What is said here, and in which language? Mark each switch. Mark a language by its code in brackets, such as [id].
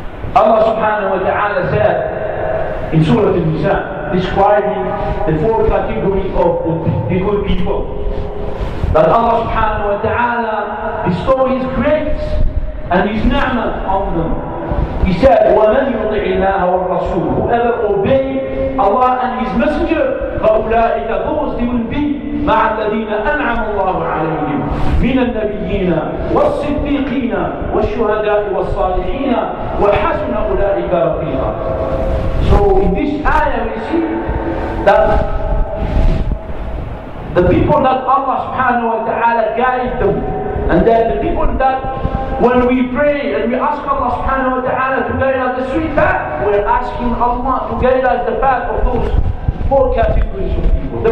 [en] Allah subhanahu wa ta'ala said in Surah Al-Nisa, describing the four categories of the good people, that Allah subhanahu wa ta'ala bestow His grace and His ni'mat on them. He said, [ar] وَمَنْ يُطِعِ اللَّهَ وَالرَّسُولُ, [en] whoever obey Allah and His Messenger, [ar] فَأُولَٰئِكَ, [en] those they will be [ar] مَعَ الَّذِينَ أَنْعَمُ اللَّهُ عَلَيْهِمْ مِنَ النَّبِيِّينَ وَالصِّدِّيقِينَ وَالشُّهَدَاءِ وَالصَّالِحِينَ وَحَسُنَ أُولَٰئِكَ رَفِيقًا. [en] So in this ayah we see that the people that Allah subhanahu wa ta'ala guide them, and then the people that when we pray and we ask Allah subhanahu wa ta'ala to guide us the sweet path, we're asking Allah to guide us the path of those four categories of people.